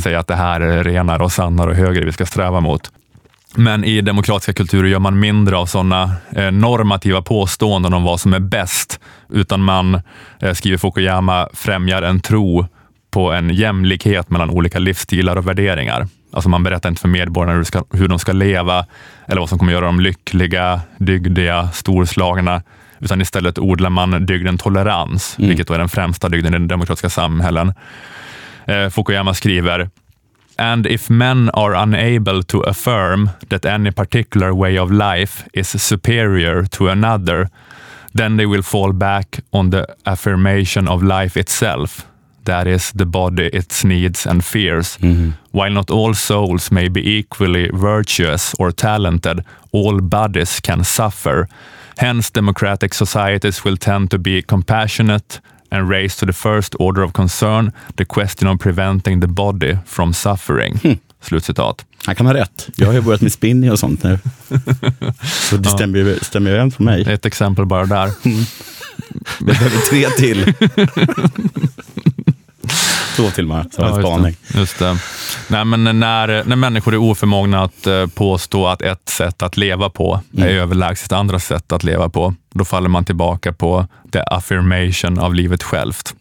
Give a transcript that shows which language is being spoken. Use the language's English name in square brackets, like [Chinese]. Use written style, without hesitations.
[Swedish] Säger att det här är renare och sannare och högre vi ska sträva mot. Men i demokratiska kulturer gör man mindre av sådana normativa påståenden om vad som är bäst, utan man, skriver Fukuyama, främjar en tro på en jämlikhet mellan olika livsstilar och värderingar. Alltså man berättar inte för medborgarna hur de ska leva eller vad som kommer göra dem lyckliga, dygdiga, storslagna. Utan istället odlar man dygden tolerans, mm. vilket då är den främsta dygden i den demokratiska samhällen. Fukuyama skriver: [English] "And if men are unable to affirm that any particular way of life is superior to another, then they will fall back on the affirmation of life itself, that is, the body, its needs and fears. Mm-hmm. While not all souls may be equally virtuous or talented, all bodies can suffer. Hence, democratic societies will tend to be compassionate and raise to the first order of concern the question of preventing the body from suffering." [Swedish] Slutcitat. Han kan ha rätt. Jag har ju börjat med spinning och sånt nu. Så det stämmer ju, stämmer ju för mig. Ett exempel bara där. Vi behöver tre till. Två till, Mara. Så ja, just det. Nej, men när människor är oförmågna att påstå att ett sätt att leva på är överlägset andra sätt att leva på, då faller man tillbaka på [English] the affirmation [Swedish] av livet självt.